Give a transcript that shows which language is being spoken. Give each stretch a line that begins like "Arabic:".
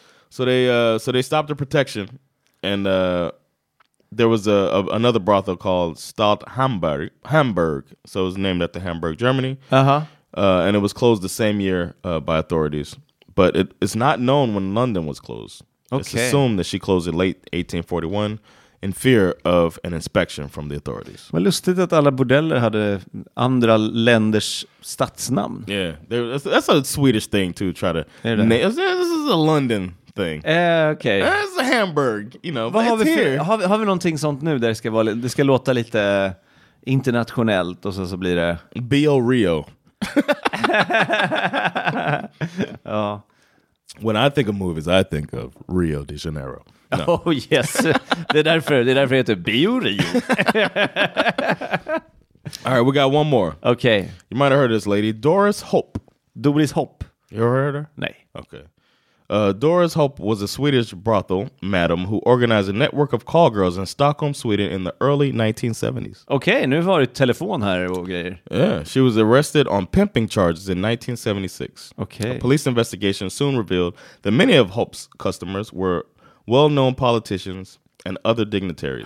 English: So they stopped the protection, and there was another brothel called Stadt Hamburg. So it was named after Hamburg, Germany. Uh-huh. And it was closed the same year by authorities. But it's not known when London was closed. Okay. It's assumed that she closed in late 1841 in fear of an inspection from the authorities.
Swedish: Men lustigt att alla bordeller hade andra länders stadsnamn.
English: Yeah, that's a Swedish thing to try to... This is a London... Okay. It's a Hamburg, you know.
Swedish: Vad har vi för, har vi någonting sånt nu där det ska låta lite internationellt och så blir det Bio Rio. Ja.
English: When I think of movies, I think of Rio de Janeiro. No. Oh yes.
Swedish: Det är därför det heter Bio Rio.
English: All right, we got one more. Okay. You might have heard of this lady, Doris Hope. Doris Hope. You ever heard of her?
Swedish: Nej.
English: Okay. Doris Hope was a Swedish brothel madam who organized a network of call girls in Stockholm, Sweden in the early 1970s.
Swedish: Okay, nu var det telefon här och grejer.
English: Yeah, she was arrested on pimping charges in 1976. Okay. A police investigation soon revealed that many of Hope's customers were well-known politicians and other dignitaries.